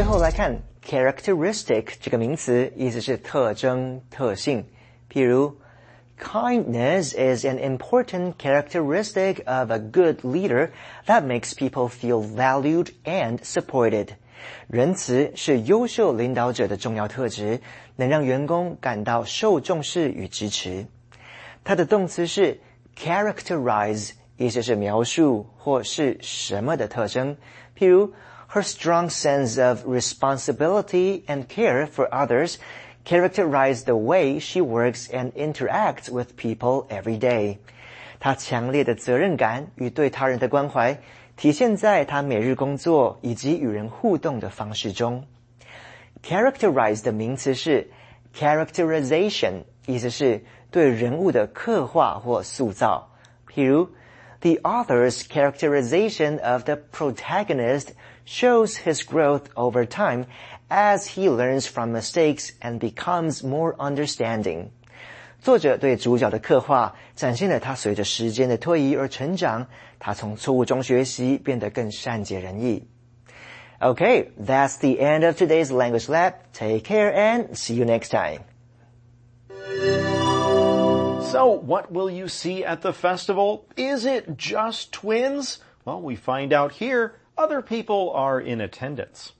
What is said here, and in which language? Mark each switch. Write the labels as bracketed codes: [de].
[zh] Characteristic 这个名词意思是特征、特性。譬如 [en] ,kindness is an important characteristic of a good leader that makes people feel valued and supported. [zh] 仁慈是优秀领导者的重要特质，能让员工感到受重视与支持。它的动词是 characterize, 意思是描述或是什么的特征。譬如 [en] ,her strong sense of responsibility and care for others,characterize the way she works and interacts with people every day. [zh] 她强烈的责任感与对他人的关怀体现在她每日工作以及与人互动的方式中。 Characterize 的名词是 characterization, 意思是对人物的刻画或塑造。譬如 [en] ,the author's characterization of the protagonist shows his growth over time,as he learns from mistakes and becomes more understanding. [zh] 作者对主角的刻画展现了他随着时间的推移而成长，他从错误中学习，变得更善解人意。 [en] Okay, that's the end of today's Language Lab. Take care and see you next time. So, what will you see at the festival? Is it just twins? Well, we find out here. Other people are in attendance.